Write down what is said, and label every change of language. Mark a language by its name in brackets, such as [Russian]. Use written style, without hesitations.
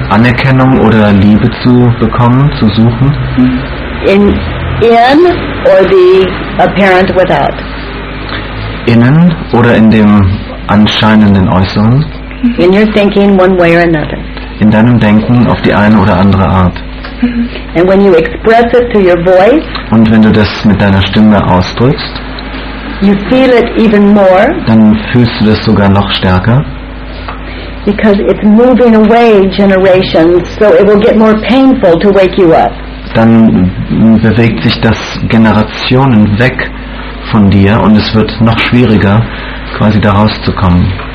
[German] Anerkennung oder Liebe zu bekommen, zu suchen. [English] In or the apparent without. [German] Innen oder in dem anscheinenden Äußeren. [English] In your thinking one way or another. [German] In deinem Denken auf die eine oder andere Art. [English] And when you express it through your voice. [German] Und wenn du das mit deiner Stimme ausdrückst. [English] You feel it even more. [German] Dann fühlst du das sogar noch stärker. [English] Because it's moving away generations, so it will get more painful to wake you up. [German] Dann bewegt sich das Generationen weg von dir und es wird noch schwieriger, quasi da rauszukommen.